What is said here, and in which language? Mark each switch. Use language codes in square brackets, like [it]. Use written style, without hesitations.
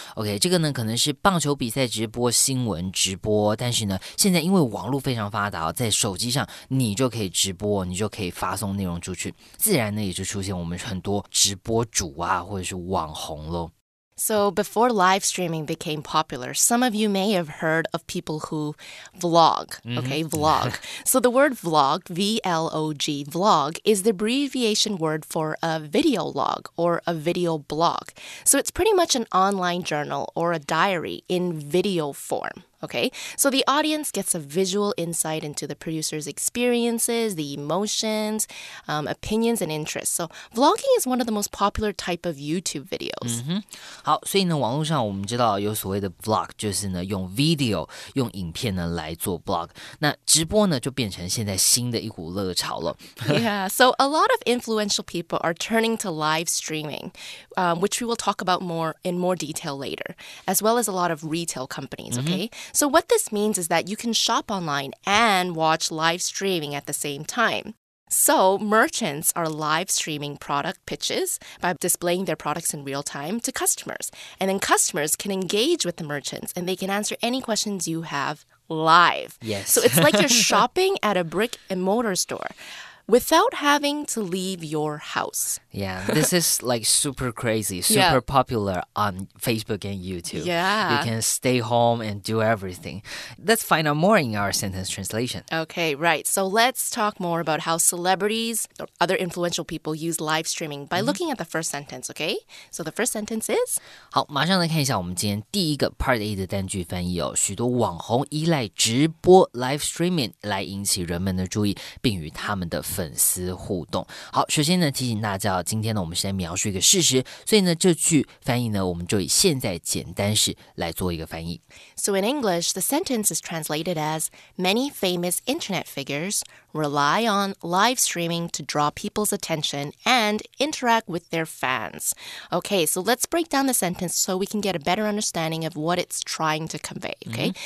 [zh] OK， 这个呢可能是棒球比赛直播、新闻直播，但是呢，现在因为网络非常发达，在手机上你就可以直播，你就可以发送内容出去，自然呢也就出现我们很多直播主啊，或者是网红了。 [en] So before live streaming became popular, some of you may have heard of people who vlog, okay, vlog. So the word vlog, V-L-O-G, vlog, is the abbreviation word for a video log or a video blog. So it's pretty much an online journal or a diary in video form. Okay, so the audience gets a visual insight into the producer's experiences, the emotions, opinions, and interests. So vlogging is one of the most popular type of YouTube videos. [zh] Mm-hmm. 好，所以呢，网络上我们知道有所谓的 vlog， 就是呢用 video 用影片呢来做 vlog。那直播呢就变成现在新的一股热潮了。 [en] Yeah, so a lot of influential people are turning to live streaming, which we will talk about more in more detail later, as well as a lot of retail companies. Okay. Mm-hmm. So what this means is that you can shop online and watch live streaming at the same time. So merchants are live streaming product pitches by displaying their products in real time to customers. And then customers can engage with the merchants and they can answer any questions you have live. Yes. So it's like you're shopping at a brick and mortar store. Without having to leave your house. Yeah, this is like super crazy, super popular on Facebook and YouTube. Yeah. You can stay home and do everything. Let's find out more in our sentence translation. Okay, right. So let's talk more about how celebrities or other influential people use live streaming by looking at the first sentence, okay? So the first sentence is... [zh] 好，马上来看一下我们今天第一个 Part A 的单句翻译哦。许多网红依赖直播 live streaming 来引起人们的注意并与他们的粉丝互动。好，首先呢提醒大家，今天呢我们是在描述一个事实，所以呢这句翻译呢我们就以现在简单式来做一个翻译。 [en] So in English, the sentence is translated as many famous internet figures rely on live streaming to draw people's attention and interact with their fans. Okay, so let's break down the sentence so we can get a better understanding of what it's trying to convey, okay?